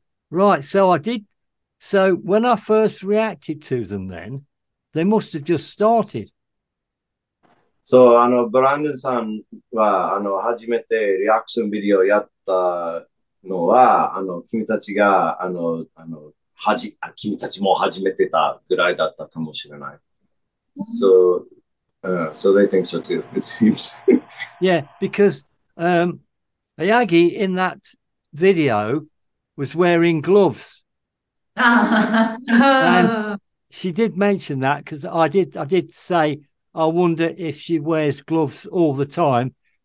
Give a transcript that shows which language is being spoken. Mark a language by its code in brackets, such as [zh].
[en] Right, so I did, so when I first reacted to them then, they must have just started. [ja] So, あの、ブランデンさんは、あの、初めてリアクションビデオやったのは、あの、君たちが、あの、あの、君たちも始めてたぐらいだったかもしれない。 [en] So, so they think so too, it seems. Yeah, because Ayagi in that video was wearing gloves. And she did mention that because I did say, I wonder if she wears gloves all the time.